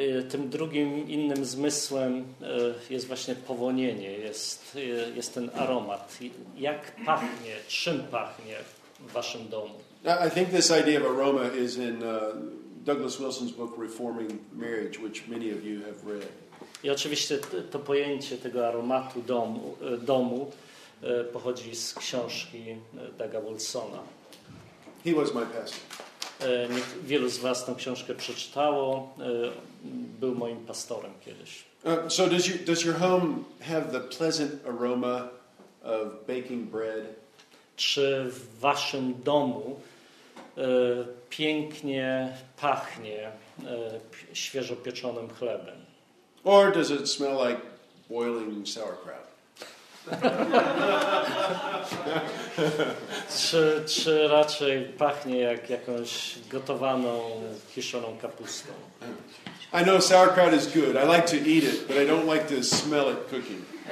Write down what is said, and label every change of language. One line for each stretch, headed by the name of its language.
Polish: Tym drugim, innym zmysłem jest właśnie powonienie, jest ten aromat. Jak pachnie, czym pachnie w waszym domu?
English: I think this idea of aroma is in Douglas Wilson's book Reforming Marriage, which many of you have read.
Polish: I oczywiście to pojęcie tego aromatu domu pochodzi z książki Douga Wilsona.
English: He was my pastor.
Polish: Wielu z was tą książkę przeczytało. Był moim pastorem kiedyś.
English: So does your home have the pleasant aroma of baking bread?
Polish: Czy w waszym domu pięknie pachnie świeżo pieczonym chlebem?
English: Or does it smell like boiling sauerkraut?
Polish: czy raczej pachnie jak jakąś gotowaną, kiszoną kapustą?
English: I know sauerkraut is good. I like to eat it, but I don't like to smell it cooking.